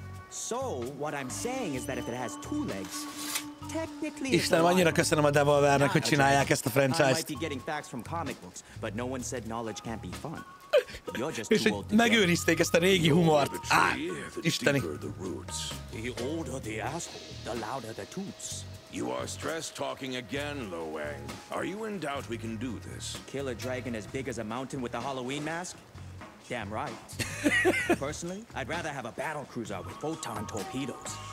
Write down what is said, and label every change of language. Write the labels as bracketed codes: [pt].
[en] So, what I'm saying is that if it has two legs, technically... [hu] Istenem, annyira köszönöm a TheVR-nek, hogy csinálják ezt a franchise-t. [en] I might be getting facts from comic books, but no one said knowledge can't be fun. [hu] És hogy megőrizték ezt a régi humort. Áh, isteni. [en] The older the asshole, the louder the toots. You are stress-talking again, Lo Wang. Are you in doubt we can do this? Kill a dragon as big as a mountain with a Halloween mask? Damn right. Personally, I'd rather have a battle cruiser with photon torpedoes.